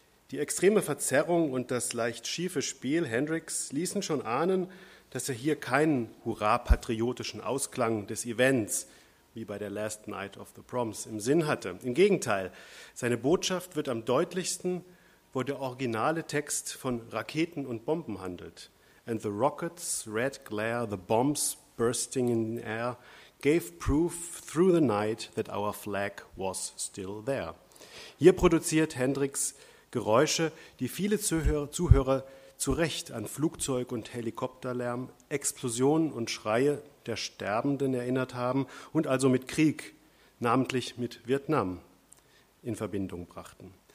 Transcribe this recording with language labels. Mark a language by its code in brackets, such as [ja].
[de] Die extreme Verzerrung und das leicht schiefe Spiel Hendrix ließen schon ahnen, dass er hier keinen hurra-patriotischen Ausklang des Events wie bei der Last Night of the Proms im Sinn hatte. Im Gegenteil, seine Botschaft wird am deutlichsten, wo der originale Text von Raketen und Bomben handelt. [en] "And the rockets' red glare, the bombs bursting in the air, gave proof through the night that our flag was still there." [de] Hier produziert Hendrix Geräusche, die viele Zuhörer zu Recht an Flugzeug- und Helikopterlärm, Explosionen und Schreie der Sterbenden erinnert haben und also mit Krieg, namentlich mit Vietnam, in Verbindung brachten.